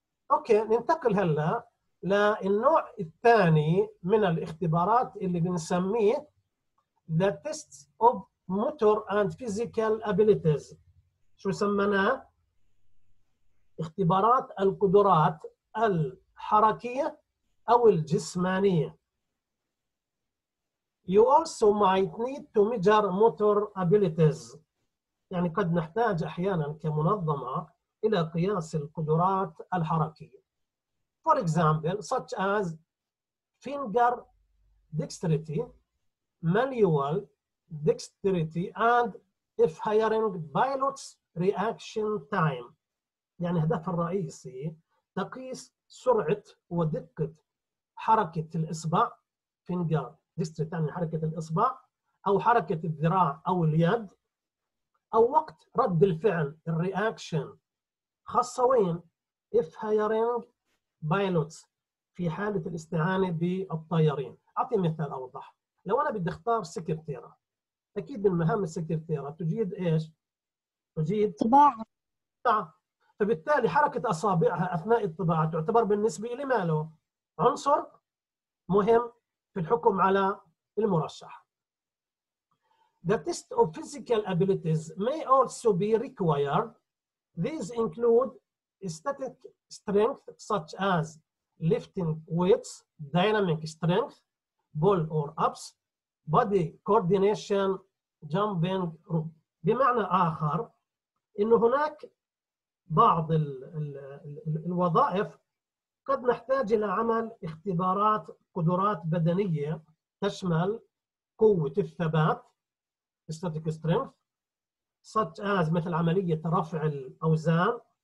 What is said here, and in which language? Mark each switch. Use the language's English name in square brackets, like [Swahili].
[Arabic] اوكي ننتقل هلا للنوع الثاني من الاختبارات اللي بنسميه [English] the tests of motor and physical abilities. [Arabic] شو سميناه؟ اختبارات القدرات الحركية او الجسمانية. [English] You also might need to measure motor abilities. [Arabic] يعني قد نحتاج احيانا كمنظمة الى قياس القدرات الحركية. [English] For example, such as finger dexterity, manual dexterity, and if hiring pilots reaction time. [Arabic] يعني هدف الرئيسي تقيس سرعة ودقة حركة الاصبع finger dexterity يعني حركة الاصبع او حركة الذراع او اليد او وقت رد الفعل الرياكشن خاصة وين [English] if hiring pilots [Arabic] في حالة الاستعانة بالطيارين. اعطي مثال اوضح. لو انا بدي اختار سكرتيرة اكيد من مهام السكرتيرة تجيد ايش؟ تجيد طباعة. فبالتالي حركة اصابعها اثناء الطباعة تعتبر بالنسبة لي ماله؟ عنصر مهم في الحكم على المرشح. [English] The test of physical abilities may also be required. These include static strength such as lifting weights, dynamic strength, pull or ups, body coordination, jumping rope. [Arabic] بمعنى آخر إنه هناك بعض الوظائف قد نحتاج إلى عمل اختبارات قدرات بدنية تشمل قوة الثبات [English] static strength such as [Arabic] مثل عملية رفع الأوزان.